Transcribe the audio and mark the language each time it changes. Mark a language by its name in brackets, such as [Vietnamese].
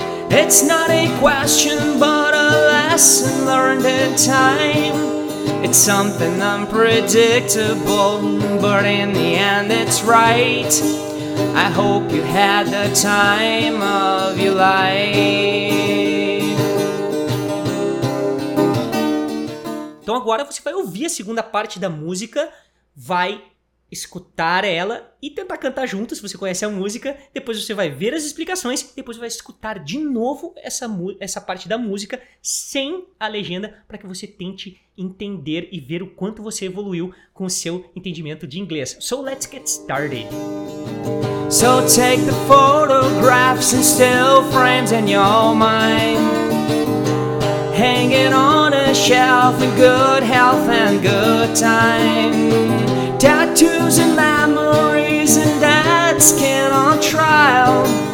[English] It's not a question but a lesson learned in time. It's something unpredictable, but in the end it's right. I hope you had the time of your life. [Portuguese] Então agora você vai ouvir a segunda parte da música, vai escutar ela e tentar cantar junto, se você conhece a música. Depois você vai ver as explicações, depois vai escutar de novo essa parte da música sem a legenda, para que você tente entender e ver o quanto você evoluiu com o seu entendimento de inglês. [English] So let's get started. So take the photographs and still frames in your mind, hanging on a shelf in good health and good time. Tattoos and memories and dead skin on trial.